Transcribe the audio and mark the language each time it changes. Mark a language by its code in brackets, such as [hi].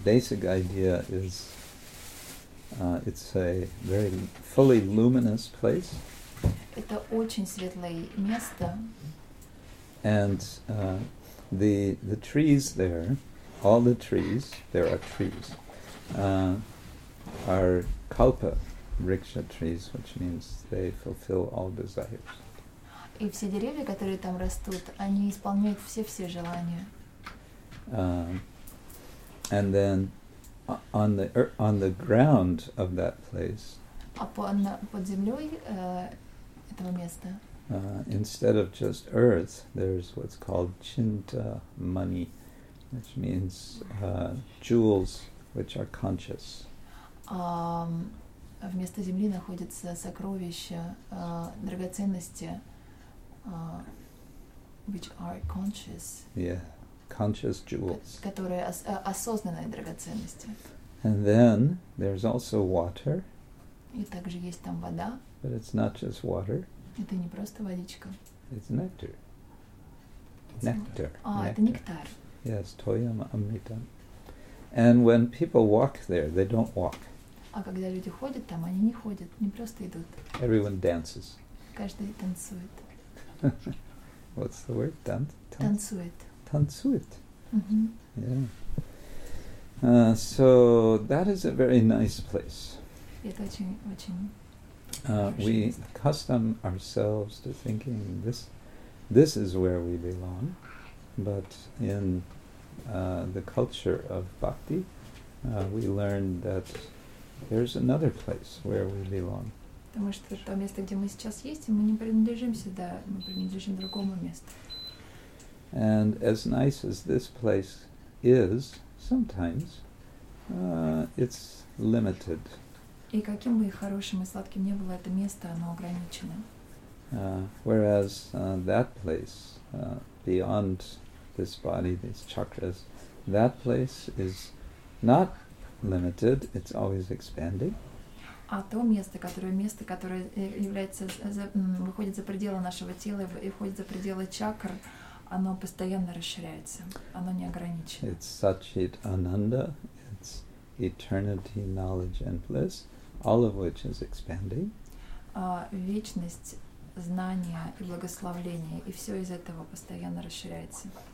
[en] Basic idea is it's a very fully luminous place. [ru] Это очень светлое место. [en] And the trees there, all the trees, there are trees, are kalpa riksha trees, which means they fulfill all desires. [ru] И все деревья, которые там растут, они исполняют все желания. [en] And then on the ground of that place. [ru] А под землёй этого места. [en] Instead of just earth, there's what's called chinta mani, which means jewels which are conscious. [ru] Вместо земли находятся сокровища, драгоценности, [en] which are conscious. Yeah, conscious jewels. [ru] Которые осознанные драгоценности. [en] And then there's also water. [ru] И также есть там вода. [en] But it's not just water. [ru] Это не просто водичка. [en] It's nectar. Nectar. [ru] Это нектар. [en] Yes, toyam amritam. And when people walk there, they don't walk. [ru] А когда люди ходят там, они не ходят, не просто идут. [en] Everyone dances. [ru] Каждый танцует. [en] What's the word? [ru] Танцует. Танцует. Mm-hmm. [en] Yeah. So that is a very nice place. [ru] Это очень. [en] We accustom ourselves to thinking this is where we belong, but in the culture of bhakti, we learn that there's another place where we belong. [ru] Потому что то место, где мы сейчас есть, мы не принадлежим сюда, мы принадлежим другому месту. [en] And as nice as this place is, sometimes it's limited. [ru] И каким бы хорошим и сладким ни было это место, оно ограничено. [en] Whereas that place, beyond this body, these chakras, that place is not limited, it's always expanding. [ru] А то место, которое является выходит за пределы нашего тела и входит за пределы чакр, оно постоянно расширяется, оно не ограничено. [en] It's Satchit Ananda, it's eternity, knowledge and bliss, all of which is expanding. [ru] Вечность, знание и благословение, и все из этого постоянно расширяется.